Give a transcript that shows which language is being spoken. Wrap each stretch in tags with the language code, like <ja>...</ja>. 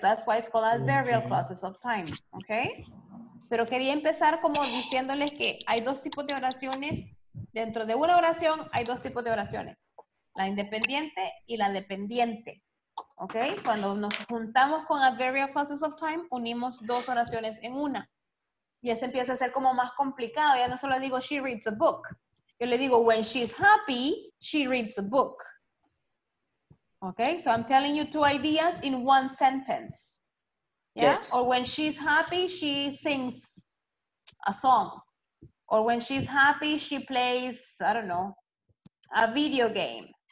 <en>That's why it's called adverbial clauses of time, okay?</en> <es>Pero quería empezar como diciéndoles que hay dos tipos de oraciones. Dentro de una oración hay dos tipos de oraciones. La independiente y la dependiente, okay? Cuando nos juntamos con</es> <en>adverbial clauses of time,</en> <es>unimos dos oraciones en una. Y eso empieza a ser como más complicado. Ya no solo digo,</es> <en>she reads a book.</en> <es>Yo le digo,</es> <en>when she's happy, she reads a book. Okay, so I'm telling you two ideas in one sentence. Yeah? Yes. Or when she's happy, she sings a song. Or when she's happy, she plays, I don't know, a video game.</en>